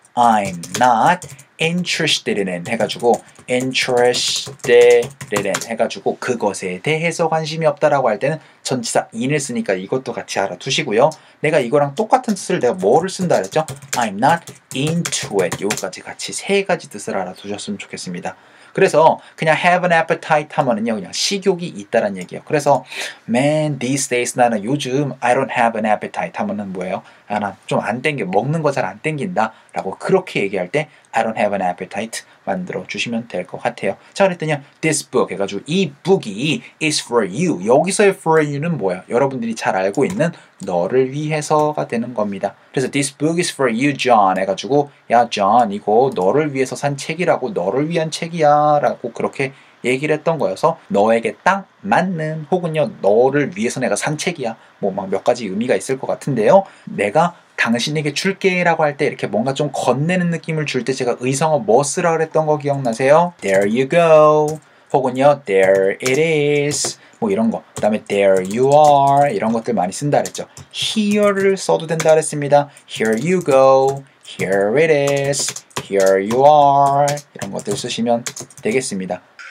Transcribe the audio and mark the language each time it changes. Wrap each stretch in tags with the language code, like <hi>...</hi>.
<en>I'm not interested in it</en> <ko>해가지고 interested in 해가지고 그것에 대해서 관심이 없다라고 할 때는 전치사 in을 쓰니까 이것도 같이 알아두시고요. 내가 이거랑 똑같은 뜻을 내가 뭐를 쓴다 그랬죠?</ko> <en>I'm not into it.</en> <ko>여기까지 같이 세 가지 뜻을 알아두셨으면 좋겠습니다. 그래서 그냥 have an appetite 하면은요 그냥 식욕이 있다라는 얘기예요.</ko> <en>그래서 man these days 나는 요즘 I don't have an appetite</en> <ko>하면은 뭐예요? 아, 나 좀 안 땡겨 먹는 거 잘 안 땡긴다 라고 그렇게 얘기할 때</ko> <en>I don't have an appetite</en> <ko>만들어 주시면 될 것 같아요. 자 그랬더니 this book 해가지고 이 book이 is for you. 여기서의 for you는 뭐예요? 여러분들이 잘 알고 있는 너를 위해서가 되는 겁니다. 그래서</ko> <en>this book is for you John</en> <ko>해가지고 야 John 이거 너를 위해서 산 책이라고 너를 위한 책이야 라고 그렇게 얘기를 했던 거여서 너에게 딱 맞는 혹은요 너를 위해서 내가 산 책이야 뭐 막 몇 가지 의미가 있을 것 같은데요. 내가 당신에게 줄게 라고 할 때 이렇게 뭔가 좀 건네는 느낌을 줄 때 제가 의성어 뭐 쓰라고 했던 거 기억나세요?</ko> <en>There you go</en> <ko>혹은요</ko> <en>There it is</en> <ko>뭐 이런 거 그 다음에</ko> <en>There you are</en> <ko>이런 것들 많이 쓴다 그랬죠. Here를 써도 된다 그랬습니다.</ko> <en>Here you go Here it is Here you are</en> <ko>이런 것들 쓰시면 되겠습니다.</ko>